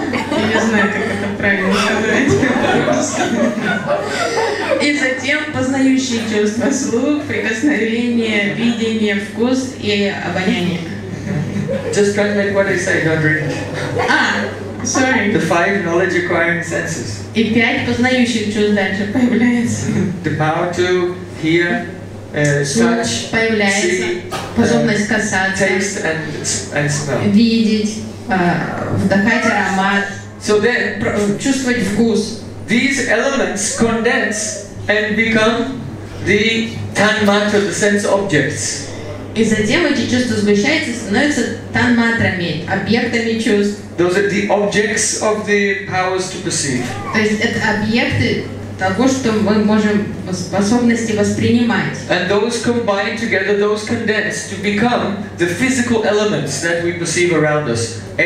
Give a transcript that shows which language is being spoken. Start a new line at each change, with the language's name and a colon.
Russian: Я не знаю, как это правильно сказать. И затем познающие чувства слух, прикосновение, видение, вкус и обоняние.
English: Just translate what I said, not read. Sorry. The five knowledge acquiring senses.
Russian: И пять познающих чувств дальше появляется.
English: The power to hear. Touch,
Russian: появляется способность касаться,
English: and smell.
Russian: видеть, вдыхать аромат, чувствовать вкус.
English: These elements condense and become the tanmatra, the sense objects.
Russian: И затем эти чувства сгущаются, становятся танматрами, объектами чувств.
English: Those are the objects of the powers to perceive.
Russian: То есть это объекты того, что мы можем способности воспринимать.
English: And those combine together, those condense to become the physical elements that we perceive around us.